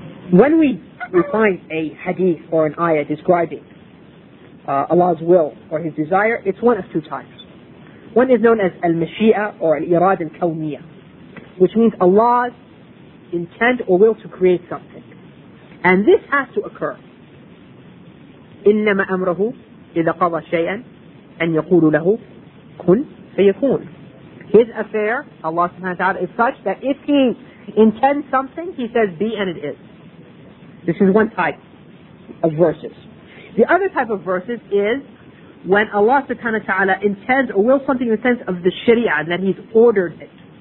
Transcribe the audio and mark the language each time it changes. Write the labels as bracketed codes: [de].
[en] When we find a hadith or an ayah describing Allah's will or His desire, it's one of two types. One is known as al-mashi'ah or al-irad al-kawmiyah, which means Allah's intent or will to create something. And this has to occur. [ar] إِنَّمَا أَمْرَهُ إذا قضى شيئا أن يقول له كن فيكون. [en] His affair, Allah subhanahu wa ta'ala, is such that if he intends something, he says be and it is. This is one type of verses. The other type of verses is when Allah subhanahu wa ta'ala intends or will something in the sense of the sharia, that He's ordered it.